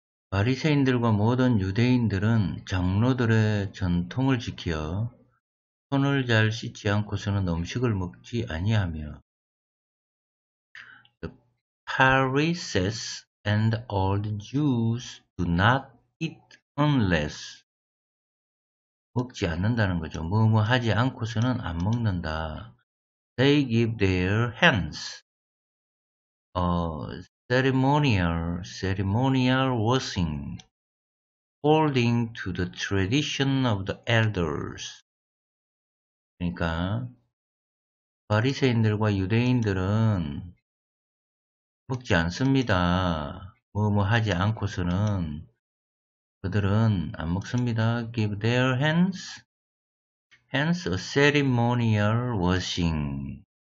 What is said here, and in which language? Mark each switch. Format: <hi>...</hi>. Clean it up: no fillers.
<ko>바리새인들과 모든 유대인들은 장로들의 전통을 지켜 손을 잘 씻지 않고서는 음식을 먹지 아니하며</ko> <en>The Pharisees and all the Jews do not eat unless</en> <ko>먹지 않는다는 거죠. 뭐뭐 하지 않고서는 안 먹는다.</ko> <en>They give their hands ceremonial washing, holding to the tradition of the elders.</en> <ko>그러니까 바리새인들과 유대인들은 먹지 않습니다. 뭐뭐 하지 않고서는 그들은 안 먹습니다.</ko> <en>Give their hands a ceremonial washing.</en>